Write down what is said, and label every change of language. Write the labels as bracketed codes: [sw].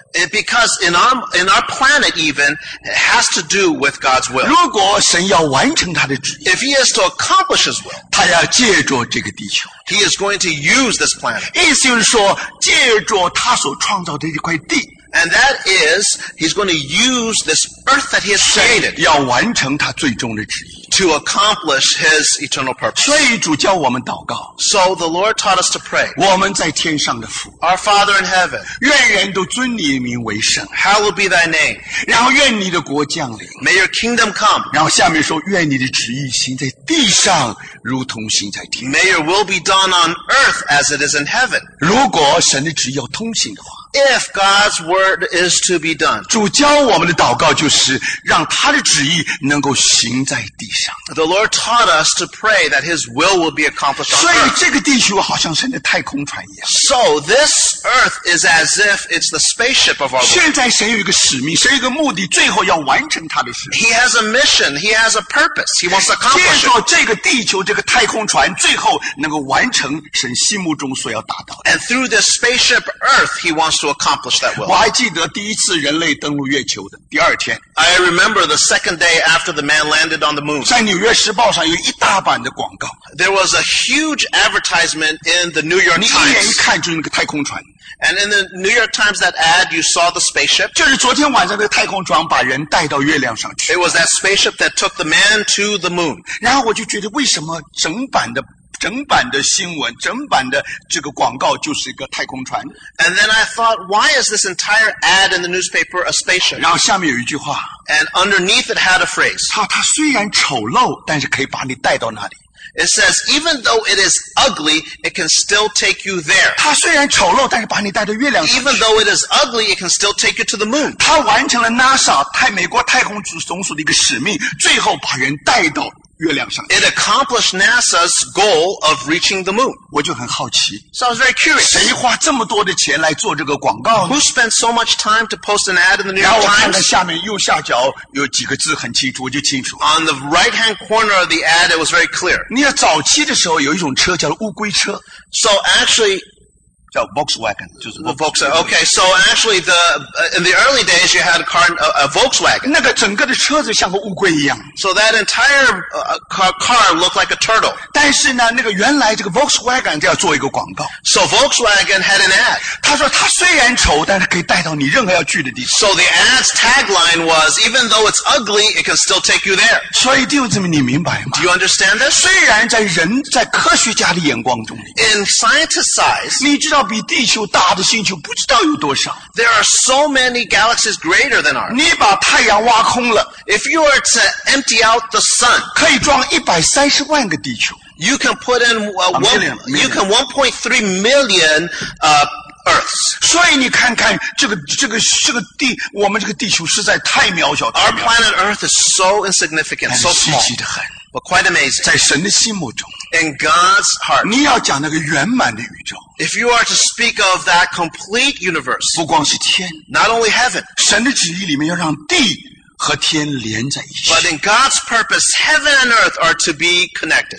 [en] Because in our planet even, it has to do with God's will. [zh] 如果神要完成他的旨意 [en] If he is to accomplish his will, [zh] 他要借助这个地球 [en] He is going to use this planet. [zh] 意思就是说借助他所创造的这块地 [en] And that is, he's going to use this earth that he has created. [zh] 神要完成他最终的旨意 [en] To accomplish his eternal purpose. [zh] 所以主教我们祷告 [en] So the Lord taught us to pray. [zh] 我们在天上的父 [en] Our Father in heaven. [zh] 愿人都尊你的名为圣 [en] Hallowed be thy name. [zh] 然后愿你的国降临 [en] May your kingdom come. [zh] 然后下面说愿你的旨意行在地上如同行在天 [en] May your will be done on earth as it is in heaven. [zh] 如果神的旨意要通行的话 [en] If God's word is to be done. [zh] 主教我们的祷告就是让他的旨意能够行在地上 [en] The Lord taught us to pray that His will be accomplished on earth. [zh] 所以这个地球好像是那太空船一样。 [en] So this earth is as if it's the spaceship of our Lord. [zh] 现在神有一个使命，神有一个目的，最后要完成他的使命。 [en] He has a mission. He has a purpose. He wants to accomplish. [zh] 借助这个地球，这个太空船，最后能够完成神心目中所要达到的。 [en] And through this spaceship Earth, He wants to accomplish that will. [zh] 我还记得第一次人类登陆月球的第二天。 [en] I remember the second day after the man landed on the moon. [zh] 在《纽约时报》上有一大版的广告。 [en] There was a huge advertisement in the New York Times. [zh] 你一眼一看就是那个太空船。 [en] And in the New York Times, that ad, you saw the spaceship. [zh] 就是昨天晚上那个太空船把人带到月亮上去。 [en] It was that spaceship that took the man to the moon. [zh] 然后我就觉得为什么整版的新闻，整版的这个广告就是一个太空船。 [en] And then I thought, why is this entire ad in the newspaper a spaceship? [zh] 然后下面有一句话。 [en] And underneath it had a phrase. [zh] 它虽然丑陋，但是可以把你带到那里。 [en] It says, even though it is ugly, it can still take you there. [zh] 它虽然丑陋，但是把你带到月亮上去。 [en] Even though it is ugly, it can still take you to the moon. [zh] 它完成了 NASA, 美国太空总署的一个使命，最后把人带到。 [en] It accomplished NASA's goal of reaching the moon. [zh] 我就很好奇。 [en] So I was very curious. [zh] 谁花这么多的钱来做这个广告呢 [en] ？Who spent so much time to post an ad in the New York Times? [zh] 然后我看到下面右下角有几个字很清楚，我就清楚。 [en] On the right-hand corner of the ad, it was very clear. [zh] 你看早期的时候有一种车叫乌龟车。 [en] So actually. [zh] 叫 Volkswagen 就是 [en] Volkswagen okay so actually the in the early days you had a car a Volkswagen [zh] 那个整个的车子像个乌龟一样 [en] so that entire car looked like a turtle [zh] 但是呢那个原来这个 Volkswagen 就要做一个广告 [en] so Volkswagen had an ad [zh] 他说他虽然丑但是可以带到你任何要去的地方 [en] so the ad's tagline was even though it's ugly it can still take you there [zh] 所以弟兄姊妹你明白吗 [en] do you understand this [zh] 虽然在人在科学家的眼光中 [en] in scientist's eyes [zh] 你知道比地球大的星球不知道有多少。 [en] There are so many galaxies greater than ours. [zh] 你把太阳挖空了。 [en] If you were to empty out the sun, [zh] 可以装130万个地球。 [en] You can put in one 1.3 million Earths. [zh] 所以你看看这个地，我们这个地球实在太渺小。 [en] Our planet Earth is so insignificant, so small, but quite amazing. [zh] 在神的心目中。 [en] In God's heart. [zh] 你要讲那个圆满的宇宙。 [en] If you are to speak of that complete universe, [zh] 不光是天。 [en] Not only heaven. [zh] 神的旨意里面要让地和天连在一起。 [en] But in God's purpose, heaven and earth are to be connected.